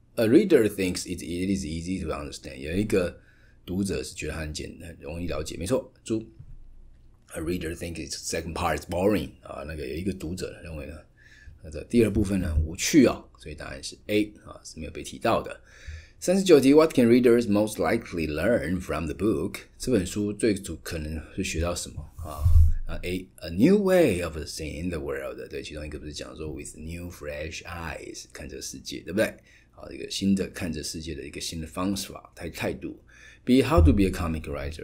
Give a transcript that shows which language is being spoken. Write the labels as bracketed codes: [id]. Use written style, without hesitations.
[en] A reader thinks it is easy to understand. [zh] 有一个读者是觉得它很容易了解，没错。注 [en] A reader thinks its second part is boring. [zh] 啊，那个有一个读者认为呢，那个第二部分呢无趣哦，所以答案是 A 啊，是没有被提到的。 [en] 39题 What can readers most likely learn from the book? [zh] 这本书最主可能是学到什么啊？ [en] A new way of seeing the world. [zh] 对，其中一个不是讲说 [en] with new fresh eyes [zh] 看这个世界，对不对？好，一个新的看这世界的一个新的方法态度。 [en] B how to be a comic writer?